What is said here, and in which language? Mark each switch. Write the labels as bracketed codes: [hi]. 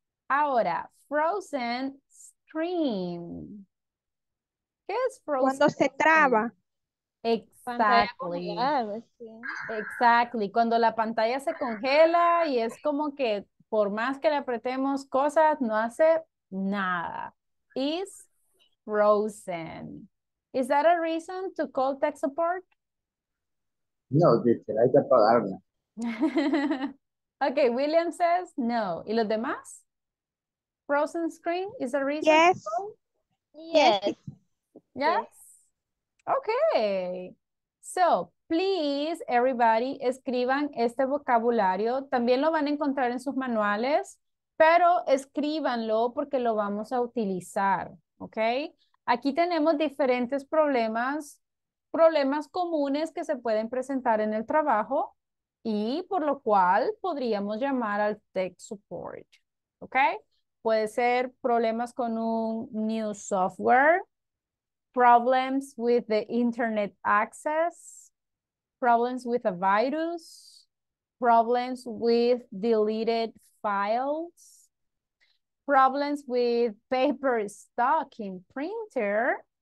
[es] Ahora, [en] frozen stream. [es] ¿Qué es frozen? Cuando se traba. [en] Exactly. Exactly. [es] Cuando la pantalla se congela y es como que por más que le apretemos cosas, no hace nada. [en] Is frozen. Is that a reason to call tech support? [es] No, teacher, hay que apagarla. [en] Okay, William says no. [es] ¿Y los demás? [en] Frozen screen is a reason? Yes. Yes. Okay. So, please, everybody, [es] escriban este vocabulario. También lo van a encontrar en sus manuales, pero escríbanlo porque lo vamos a utilizar. Okay. Aquí tenemos diferentes problemas. Problemas comunes que se pueden presentar en el trabajo y por lo cual podríamos llamar al tech support, ¿ok? Puede ser problemas con un [en] new software, problems with the internet access, problems with a virus, problems with deleted files, problems with paper stuck in printer,